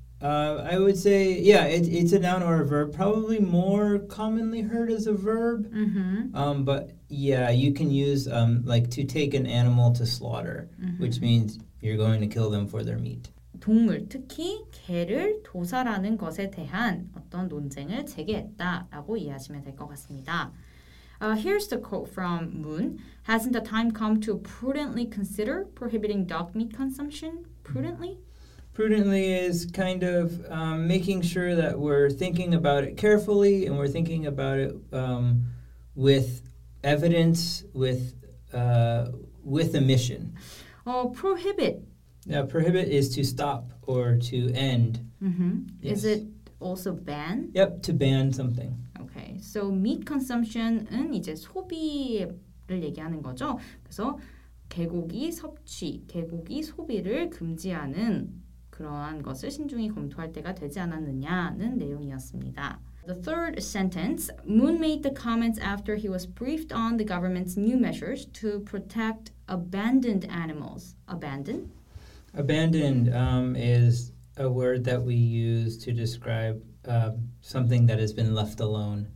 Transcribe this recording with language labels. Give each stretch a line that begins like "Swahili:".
English: I would say, it's a noun or a verb. Probably more commonly heard as a verb. Mm-hmm. But, yeah, you can use, to take an animal to slaughter, mm-hmm. which means you're going to kill them for their meat.
Korean: 동물, 특히 개를 도살하는 것에 대한 어떤 논쟁을 제기했다라고 이해하시면 될 것 같습니다.
English: Here's the quote from Moon. Hasn't the time come to prudently consider prohibiting dog meat consumption? Prudently? Prudently is kind of making sure that we're thinking about it carefully and we're thinking about it with evidence, with a mission. Prohibit. Yeah, prohibit is to stop or to end. Mm-hmm. Yes. Is it also ban? Yep, to ban something. Okay, so meat consumption
Korean: 은 이제 소비를 얘기하는 거죠. 그래서 개고기 섭취, 개고기 소비를 금지하는 그러한 것을 신중히 검토할 때가 되지 않았느냐는 내용이었습니다.
English: The third sentence, Moon made the comments after he was briefed on the government's new measures to protect abandoned animals. Abandoned? Abandoned is a word that we use to describe something that has been left alone.